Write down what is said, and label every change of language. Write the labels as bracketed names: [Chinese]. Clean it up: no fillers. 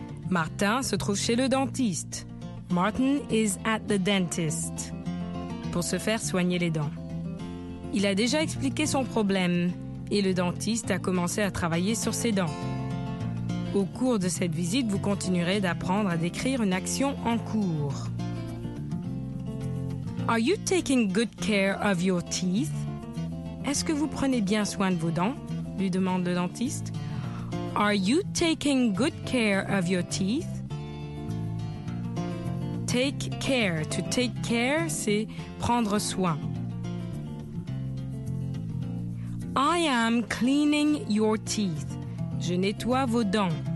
[French] Martin se trouve chez le dentiste. [English] Martin is at the dentist. [French] Pour se faire soigner les dents. Il a déjà expliqué son problème et le dentiste a commencé à travailler sur ses dents. Au cours de cette visite, vous continuerez d'apprendre à décrire une action en cours. [English] Are you taking good care of your teeth? [French] Est-ce que vous prenez bien soin de vos dents? Lui demande le dentiste. [English] Are you taking good care of your teeth? Take care. To take care, [French] c'est prendre soin. [English] I am cleaning your teeth. [French] Je nettoie vos dents.